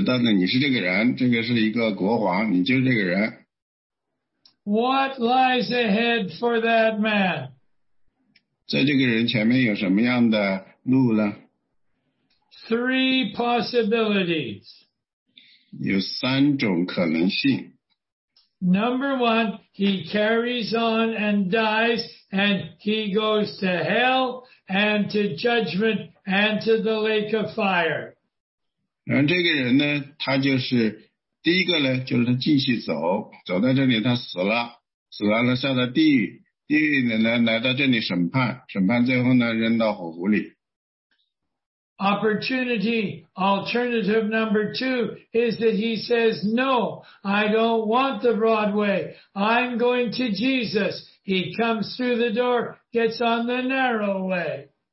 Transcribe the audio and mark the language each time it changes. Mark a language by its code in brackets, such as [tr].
[zh] 然后我们再假设一下，你是这一个人，这个人呢，你是从这个宽度上走到这个箭头上指到的，指到的你是这个人，这个是一个国王，你就是这个人。 [en] What lies ahead for that man? [zh] 在这个人前面有什么样的路呢? [en] Three possibilities. [zh] 有三种可能性. [en] Number one, he carries on and dies, and he goes to hell and to judgment and to the lake of fire. [zh] 然后这个人呢，他就是第一个呢，就是他继续走，走到这里他死了。死完了下到地狱，地狱里呢来到这里审判，审判最后呢扔到火湖里。 [en] Opportunity alternative number two is that he says, no, I don't want the Broadway. I'm going to Jesus. He comes through the door, gets on the narrow way.